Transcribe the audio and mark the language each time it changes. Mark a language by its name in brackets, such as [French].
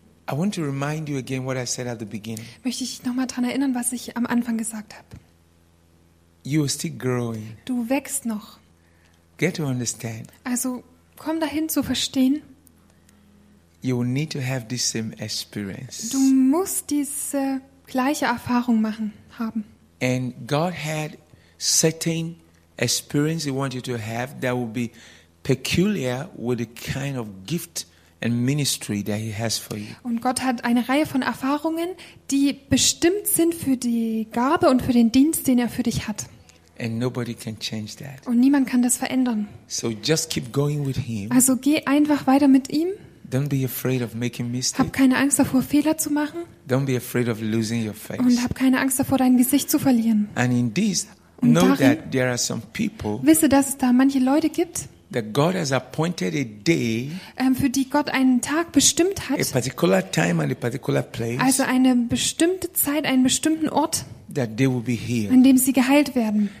[English] I want to remind you again what I said at the beginning. [German] Möchte ich noch mal dran erinnern, was ich am Anfang gesagt habe. [English] You are still growing. [German] Du wächst noch. [English] Get to understand. [German] Also komm dahin zu verstehen. [English] You will need to have this same experience. [German] Du musst diese gleiche Erfahrung machen haben. [English] And God had certain experience he wanted you to have that would be peculiar with the kind of gift and ministry that he has for you. [German] Und Gott hat eine Reihe von Erfahrungen, die bestimmt sind für die Gabe und für den Dienst, den er für dich hat. [English] And nobody can change that. [German] Und niemand kann das verändern. [English] So just keep going with him. [German] Also geh einfach weiter mit ihm. [English] Don't be afraid of making mistakes. [German] Hab keine Angst davor, Fehler zu machen. [English] Don't be afraid of losing your face. [German] Und hab keine Angst davor, dein Gesicht zu verlieren. [English] And in this, know that there are some people. [German] Wisse, dass es da manche Leute gibt. [English] that God has appointed a day, [German] für die Gott einen Tag bestimmt hat, [English] a particular time and a particular place, [German] also eine bestimmte Zeit, einen bestimmten Ort, [English] that they will be healed. [German] An dem sie geheilt werden.